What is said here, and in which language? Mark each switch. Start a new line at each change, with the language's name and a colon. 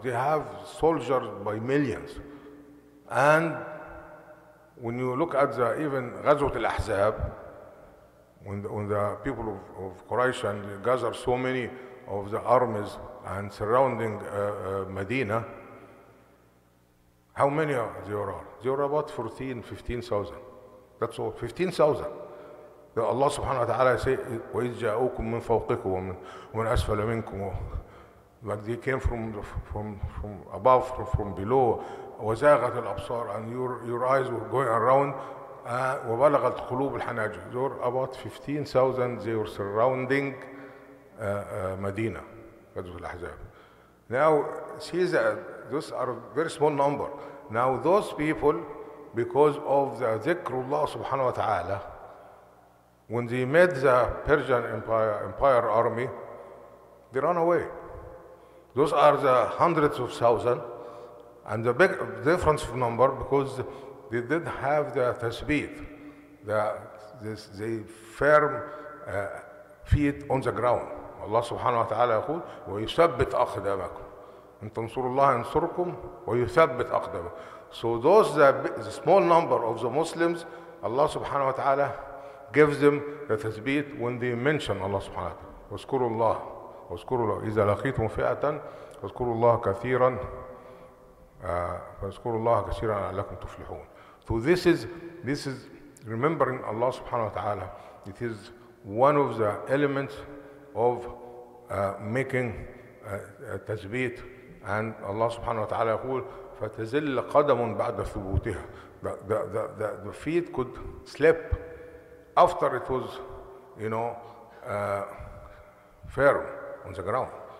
English: They have soldiers by millions. And when you look at the even Ghazwat al-Ahzab, when the people of Quraysh and gather so many of the armies and surrounding Medina, how many are there? There are about 15,000. That's all, 15,000. The Allah subhanahu wa ta'ala say,
Arabic: وَإِذْ جَاءُوكُمْ مِنْ فَوْقِكُمْ وَمِنْ أَسْفَلَ مِنْكُمْ.
English: But they came from above, from below.
Arabic: وَزَاغَتْ الْأَبْصَارِ,
English: and your eyes were going around.
Arabic: وَبَلَغَتْ قُلُوبُ الْحَنَاجِرِ.
English: There were about 15,000, they were surrounding Medina, Ghazwat al-Ahzab. Now, see that those are a very small number. Now, those people, because of the dhikrullah subhanahu wa ta'ala, when they met the Persian Empire army, they ran away. Those are the hundreds of thousands, and the big difference of number, because they did have the tasbeeth, the firm feet on the ground.
Arabic: Allah subhanahu wa ta'ala yaqul, وَيُثَبِّتْ أَقْدَمَكُمْ. أن تنصروا الله ينصركم ويثبت أقدامكم.
English: So those the small number of the Muslims, Allah subhanahu wa ta'ala gives them the tasbeet when they mention Allah subhanahu wa ta'ala.
Arabic: واذكروا الله واذكروا الله إذا لقيتم فئة فاذكروا الله كثيرا فاذكروا الله كثيرا لعلكم تفلحون.
English: So this is remembering Allah subhanahu wa ta'ala. It is one of the elements of making tasbeet.
Arabic: And Allah subhanahu wa ta'ala يقول فتزل قدم بعد ثبوتها.
English: The feet could slip after it was, you know, firm on the ground.